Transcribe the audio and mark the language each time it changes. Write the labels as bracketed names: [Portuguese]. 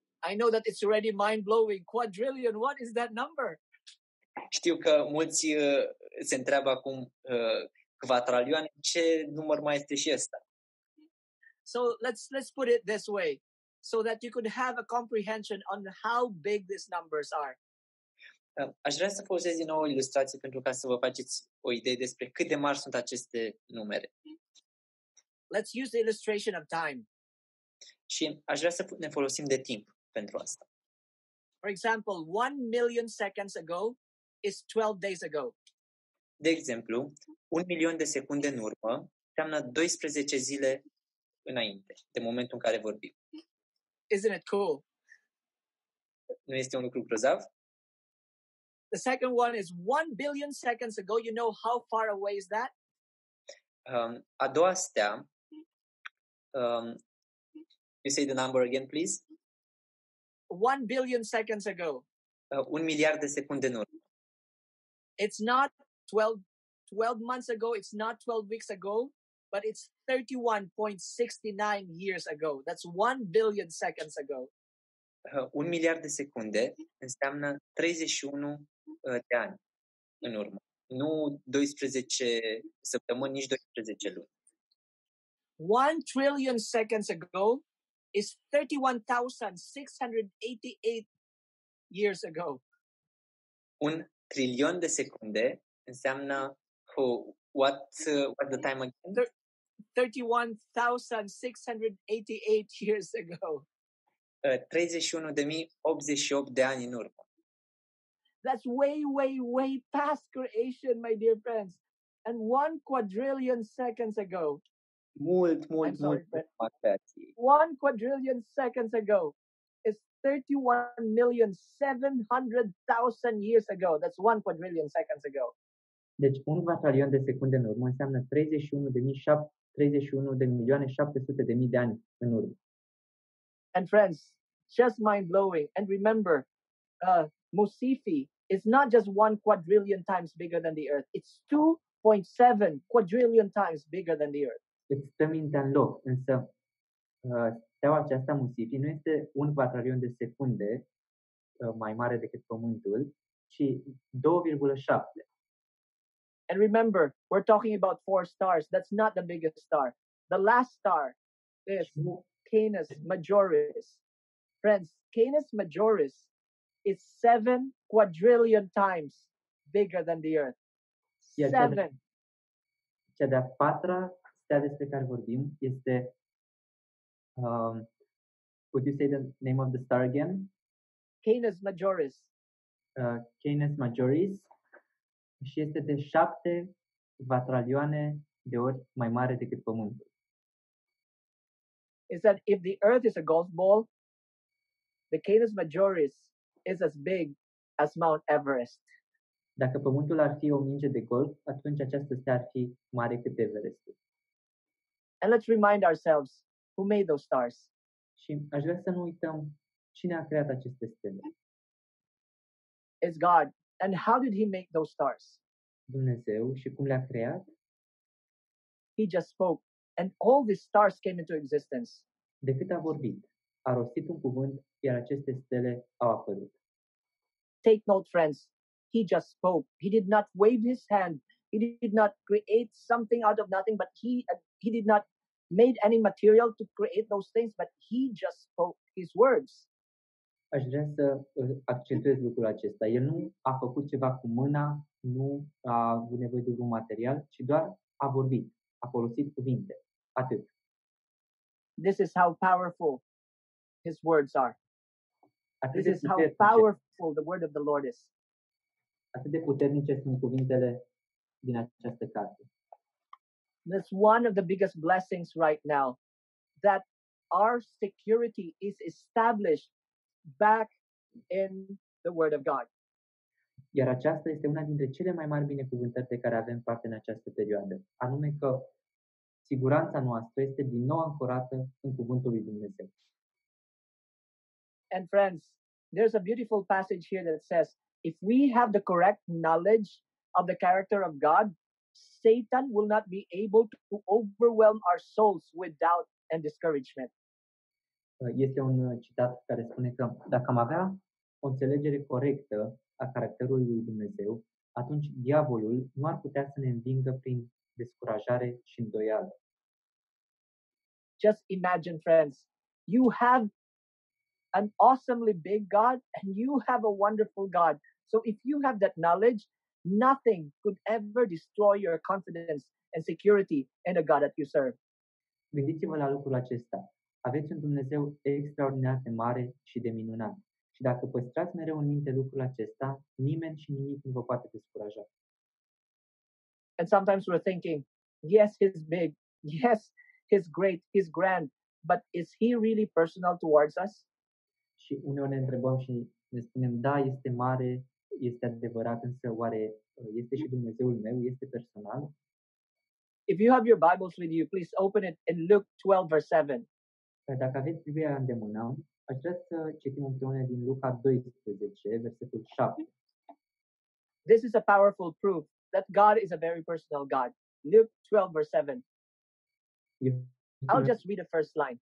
[English] I know that it's already mind-blowing. Quadrillion, what is that number? [Romanian] Știu că mulți se întreabă acum quadrillion, ce număr mai este și ăsta? [English] So let's put it this way, so that you could have a comprehension on how big these numbers are. [Romanian] Aș vrea să folosesc din nou o ilustrație pentru ca să vă faceți o idee despre cât de mari sunt aceste numere. [English] Let's use the illustration of time. [Romanian] Și aș vrea să ne folosim de timp pentru asta. [English] For example, 1 million seconds ago is 12 days ago. [Romanian] De exemplu, 1 milion de secunde în urmă înseamnă 12 zile înainte, de momentul în care vorbim. [English] Isn't it cool? [Romanian] Nu este un lucru grozav? [English] The second one is 1 billion seconds ago. You know how far away is that? [Romanian] A doua stea. [English] You say the number again, please. 1 billion seconds ago. [Romanian] 1 miliard de secunde în urmă. [English] It's not 12 months ago, it's not 12 weeks ago, but it's 31.69 years ago. That's 1 billion seconds ago. [Romanian] 1 miliard de secunde înseamnă 31 de ani în urmă. Nu 12 săptămâni, nici 12 luni. [English] 1 trillion seconds ago is 31,688 years ago. [Romanian] 1 trilion de secunde înseamnă [English] what the time again? 31,688 years ago. [Romanian] 31,088 de ani în urmă. [English] That's way, way, way past creation, my dear friends. And 1 quadrillion seconds ago. [Romanian] Mult, mult, mult. [English] 1 quadrillion seconds ago is 31,700,000 years ago. That's 1 quadrillion seconds ago. [Romanian] Deci 1 quadrillion de secunde în urmă înseamnă 31,700,000 de ani în urmă. [English] And friends, just mind-blowing. And remember, Musifi is not just 1 quadrillion times bigger than the Earth. It's 2.7 quadrillion times bigger than the Earth. [Romanian] Îți stă minte în loc, însă steaua aceasta Musifi nu este 1 quadrillion de secunde mai mare decât Pământul, ci 2,7. [English] And remember, we're talking about 4 stars. That's not the biggest star. The last star is Canis Majoris. Friends, Canis Majoris is 7 quadrillion times bigger than the Earth. 7. [Romanian] Cea de-a patra stea despre care vorbim este [English] would you say the name of the star again? Canis Majoris. [Romanian] Canis Majoris. Și este de 7 quadrillion de ori mai mare decât Pământul. [English] Is that if the Earth is a golf ball, the Canis Majoris is as big as Mount Everest. [Romanian] Dacă Pământul ar fi o minge de golf, atunci această stea ar fi mare cât Everestul. [English] And let's remind ourselves who made those stars. [Romanian] Și aș vrea să nu uităm cine a creat aceste stele. [English] It's God. And how did he make those stars? [Romanian] Dumnezeu. Și cum le-a creat? [English] He just spoke. And all these stars came into existence. [Romanian] De cât a vorbit, a rostit un cuvânt, iar aceste stele au apărut. [English] Take note, friends. He just spoke. He did not wave his hand. He did not create something out of nothing, but he did not made any material to create those things, but he just spoke his words. [Romanian] Aș vrea să accentuez lucrul acesta. El nu a făcut ceva cu mâna, nu a avut nevoie de un material, ci doar a vorbit, a folosit cuvinte. Atât. [English] This is how powerful his words are. [Romanian] Atât [English] this is how powerful the word of the Lord is. [Romanian] Atât de puternice sunt cuvintele din această carte. [English] That's one of the biggest blessings right now that our security is established back in the Word of God. [Romanian] Iar aceasta este una dintre cele mai mari binecuvântări de care avem parte în această perioadă, anume că siguranța noastră este din nou ancorată în Cuvântul lui Dumnezeu. [English] And friends, there's a beautiful passage here that says, if we have the correct knowledge of the character of God, Satan will not be able to overwhelm our souls with doubt and discouragement. [Romanian] Este un citat care spune că dacă am avea o înțelegere corectă a caracterului lui Dumnezeu, atunci diavolul nu ar putea să ne învingă prin descurajare și îndoială. [English] Just imagine, friends, you have an awesomely big God and you have a wonderful God. So if you have that knowledge, nothing could ever destroy your confidence and security in the God that you serve. [Romanian] Gândiți-vă la lucrul acesta. Aveți un Dumnezeu extraordinar de mare și de minunat. Și dacă păstrați mereu în minte lucrul acesta, nimeni și nimic nu vă poate descuraja. [English] And sometimes we're thinking, yes, he's big. Yes, he's great. He's grand. But is he really personal towards us? [Romanian] Și uneori ne întrebăm și ne spunem, da, este mare, este adevărat, însă oare este și Dumnezeul meu, este personal? [English] If you have your Bibles with you, please open it in Luke 12, verse 7. [Romanian] Dacă aveți Biblia în demână, aș vrea să citim împreună din Luca 12, versetul 7. [English] This is a powerful proof that God is a very personal God. Luke 12, verse 7. I'll just read the first line.